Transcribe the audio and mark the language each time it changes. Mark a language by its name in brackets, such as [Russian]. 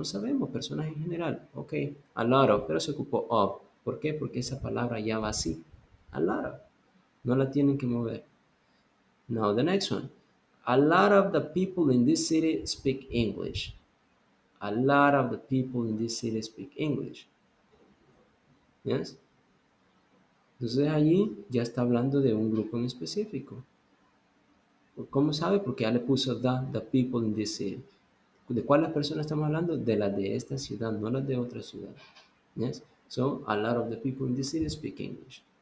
[Spanish] No sabemos, personas en general. Ok, a lot of, pero se ocupó of. ¿Por qué? Porque esa palabra ya va así. A lot of. No la tienen que mover. [English] Now the next one. A lot of the people in this city speak English. A lot of the people in this city speak English. Yes? [Spanish] Entonces allí ya está hablando de un grupo en específico. ¿Cómo sabe? Porque ya le puso the people in this city. ¿De cuáles personas estamos hablando? De las de esta ciudad, no las de otra ciudad. [English] Yes? So, a lot of the people in this city speak English.